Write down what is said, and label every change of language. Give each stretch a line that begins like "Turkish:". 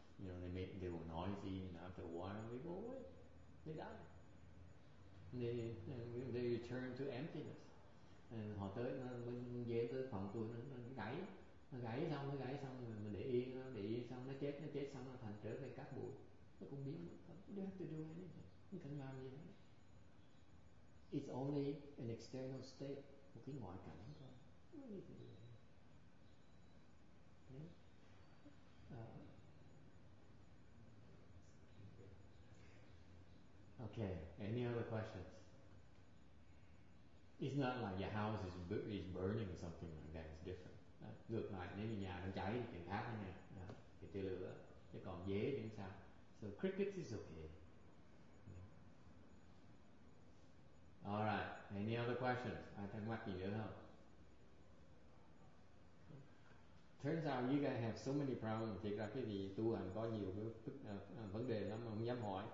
English: You know, they were noisy, and after a while they go away. They die. They return to emptiness.
Vietnamese: And họ tới, mình về tới phòng tôi, nó gãy xong, mình để yên xong, nó chết xong, nó thành trở về cát bụi. Nó cũng biến mất.
English: You don't have to do anything.
Vietnamese: Không cần làm gì hết.
English: It's only an external state,
Vietnamese: một cái ngoại cảnh thôi. Không cần làm gì hết.
English: Okay, any other questions? It's not like your house is burning or something like that. It's different.
Vietnamese: Ngược lại, nếu nhà nó cháy thì chuyện khác nha. Thì tia lửa, chứ còn dế thì sao?
English: So crickets is okay. All right. Any other questions? I think what you know. Turns out you guys have so many problems.
Vietnamese: Thực ra cái gì tu hành có nhiều vấn đề lắm mà không dám hỏi.